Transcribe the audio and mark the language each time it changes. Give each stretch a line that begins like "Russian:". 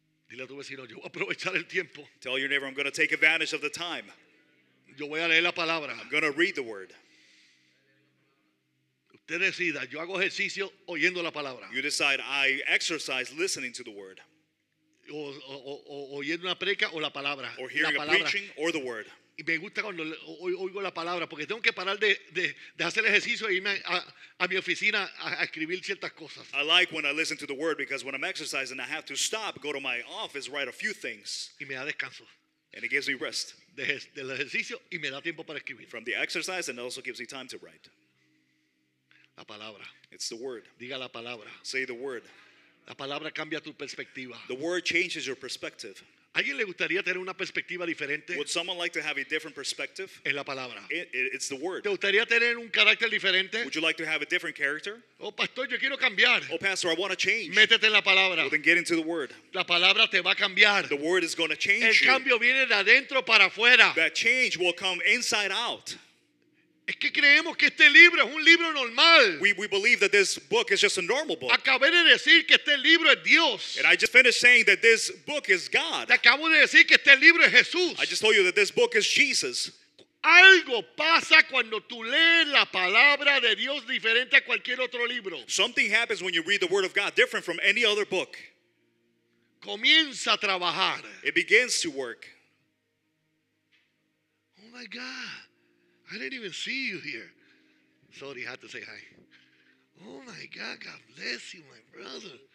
Spanish: Dile a tu vecino, yo voy a aprovechar el tiempo.
English: Tell your neighbor, I'm going to take advantage of the time.
Spanish: Yo voy a leer la palabra.
English: I'm going to read the word.
Spanish: Te decida, yo hago ejercicio oyendo la palabra.
English: You decide, I exercise listening to the word.
Spanish: O oyendo una predica o la palabra.
English: Or hearing a preaching or the word.
Spanish: Y me gusta cuando oigo la palabra, porque tengo que parar de hacer ejercicio e irme a mi oficina a escribir ciertas cosas.
English: I like when I listen to the word, because when I'm exercising, I have to stop, go to my office, write a few things.
Spanish: Y me da descanso.
English: And it gives me rest.
Spanish: Del ejercicio y me da tiempo para escribir.
English: From the exercise, and it also gives me time to write.
Spanish: La palabra.
English: It's the word.
Spanish: Diga la palabra.
English: Say the word.
Spanish: La palabra cambia tu perspectiva.
English: The word changes your perspective.
Spanish: ¿Alguien le gustaría tener una perspectiva diferente?
English: Would someone like to have a different perspective?
Spanish: En la palabra.
English: It's the word.
Spanish: ¿Te gustaría tener un carácter diferente?
English: Would you like to have a different character?
Spanish: Oh, pastor, yo quiero cambiar.
English: Oh, pastor, I want to change.
Spanish: Métete en la palabra.
English: Well, then get into the word.
Spanish: La palabra te va a cambiar.
English: The word is going to change
Spanish: El cambio
English: you.
Spanish: Viene de adentro para afuera.
English: That change will come inside out.
Spanish: Es que creemos que este libro es un libro normal.
English: We believe that this book is just a normal book.
Spanish: Acabé de decir que este libro es Dios.
English: And I just finished saying that this book is God.
Spanish: Te acabo de decir que este libro es Jesús.
English: I just told you that this book is Jesus.
Spanish: Algo pasa cuando tú lees la palabra de Dios diferente a cualquier otro libro.
English: Something happens when you read the word of God different from any other book.
Spanish: Comienza a trabajar.
English: It begins to work. Oh my God. I didn't even see you here. Sorry, I had to say hi. Oh my God, God bless you, my brother.